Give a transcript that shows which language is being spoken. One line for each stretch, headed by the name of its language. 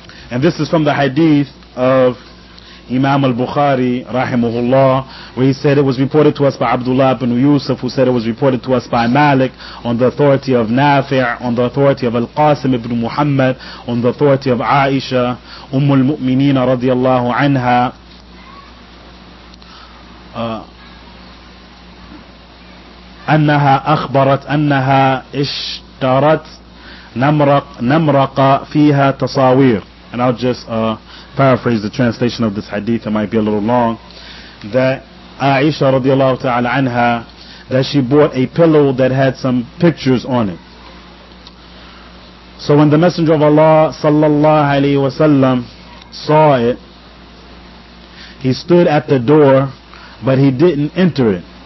English: And this is from the hadith of Imam al-Bukhari rahimahullah, where he said it was reported to us by Abdullah ibn Yusuf, who said it was reported to us by Malik, on the authority of Nafi', on the authority of Al-Qasim ibn Muhammad, on the authority of Aisha, Ummul Mu'mineen radiyallahu anha.
Arabic: أنها أخبرت أنها اشترت نمرق فيها تصاوير.
English: And I'll just paraphrase the translation of this hadith. It might be a little long. That Aisha radiallahu ta'ala anha, that she bought a pillow that had some pictures on it. So when the Messenger of Allah sallallahu alayhi wa sallam saw it, he stood at the door, but he didn't enter it.